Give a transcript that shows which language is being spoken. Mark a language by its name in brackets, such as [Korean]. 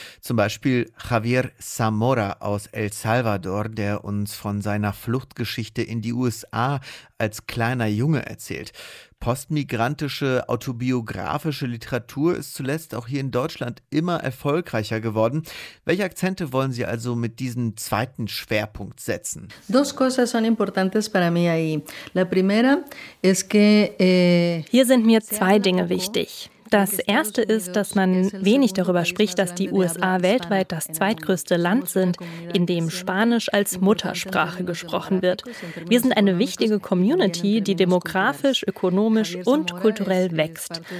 [German] Zum Beispiel Javier Zamora aus El Salvador, der uns von seiner Fluchtgeschichte in die USA als kleiner Junge erzählt. Postmigrantische, autobiografische Literatur ist zuletzt auch hier in Deutschland immer erfolgreicher geworden. Welche Akzente wollen Sie also mit diesem zweiten Schwerpunkt setzen? [Spanish] Dos cosas son importantes para mí ahí. La primera es que, [German] hier sind mir zwei Dinge wichtig. Das erste ist, dass man wenig darüber spricht, dass die USA weltweit das zweitgrößte Land sind, in dem Spanisch als Muttersprache gesprochen wird. Wir sind eine wichtige Community, die demografisch, ökonomisch und kulturell wächst.